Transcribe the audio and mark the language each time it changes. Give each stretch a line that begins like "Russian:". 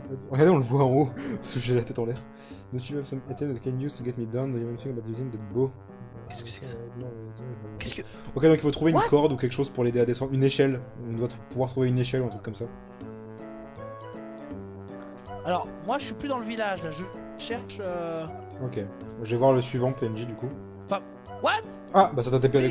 French: Regardez, on le voit en haut, parce que j'ai la tête en l'air.
English: Don't you have some item that can use to get me down? Do you even think about using the bow?
French: Qu'est-ce que c'est que ça? Qu'est-ce que. Ok, donc il faut trouver une
English: What?
French: corde ou quelque chose pour l'aider à descendre. Une échelle. On doit pouvoir trouver une échelle ou un truc comme ça. Alors, moi je suis plus dans le village là, je cherche. Ok, je vais voir le suivant PNJ du coup. Enfin, what? Ah, bah ça t'a TP avec